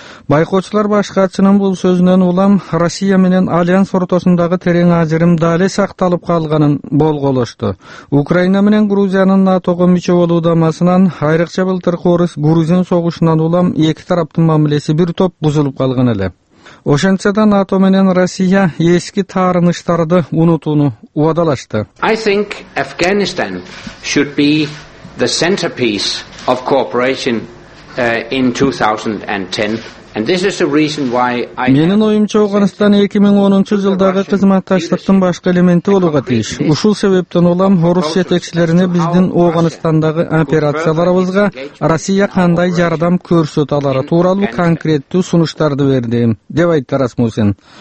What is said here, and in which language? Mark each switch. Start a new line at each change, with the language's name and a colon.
Kyrgyz: Байкоочулар башкачынын бул сөзүнөн улам Россия менен альянс ортосундагы терең ажырым дале сакталып калганын болголошту. Украина менен Грузиянын НАТОго мүчө болуу дамасынан, айрыкча былтыркы орус-грузин согушунан улам эки тараптын мамилеси бир топ бузулуп калган эле. Ошентсе да НАТО менен Россия эски таарыныштарды унутууну убадалашты.
English: I think Afghanistan should be the centerpiece of cooperation in 2010. And this is the reason why I
Kyrgyz: Менин оюмча Афганистан 2010-жылдагы кызматташтыктын башка элементи болууга тийиш. Ушул себептен улам орус жетекчилерине биздин Афганистандагы операцияларыбызга Россия кандай жардам көрсөтө алары тууралуу конкреттүү сунуштарды берди, деп айтты Расмуссен.